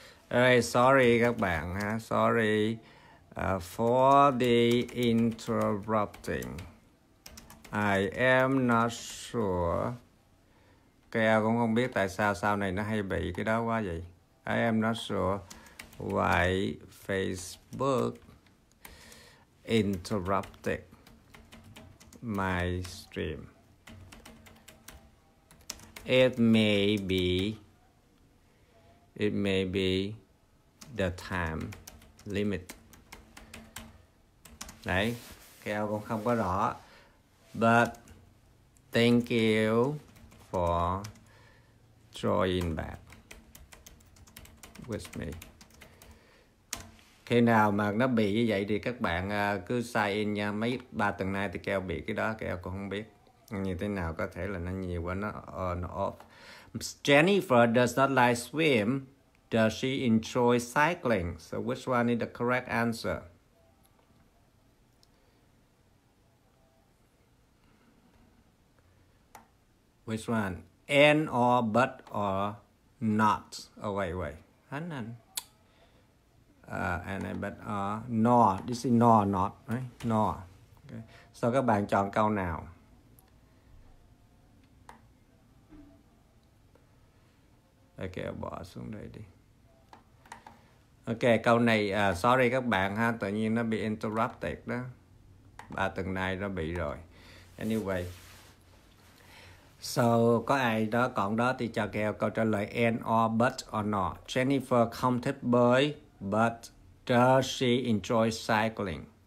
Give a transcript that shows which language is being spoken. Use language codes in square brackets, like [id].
[en] Hey, sorry [vi] các bạn ha, [en] sorry for the interrupting. I am not sure. [vi] Kia cũng không biết tại sao sau này nó hay bị cái đó quá vậy. [en] I am not sure why Facebook interrupted my stream. It may be the time limit. [vi] Đấy, Kéo cũng không có rõ. [en] But thank you for drawing back with me. [vi] Khi nào mà nó bị như vậy thì các bạn cứ sign in nha. Mấy ba tuần nay thì Kéo bị cái đó, Kéo cũng không biết như thế nào, có thể là nó nhiều quá, nó on off. [en] Jennifer does not like swim. Does she enjoy cycling? So which one is the correct answer? Which one? And or but or not? Oh, wait. And but or nor. This is nor, not, right? Nor. Okay. So [vi] các bạn chọn câu nào? Okay, bỏ xuống đây đi. Ok, câu này, [en] sorry [vi] các bạn ha, tự nhiên nó bị interrupted đó. Ba tuần nay nó bị rồi. Anyway. So, có ai đó còn đó thì cho kèo câu trả lời [en] and or but or not. [vi] Jennifer không thích bơi, [en] but does she enjoy cycling?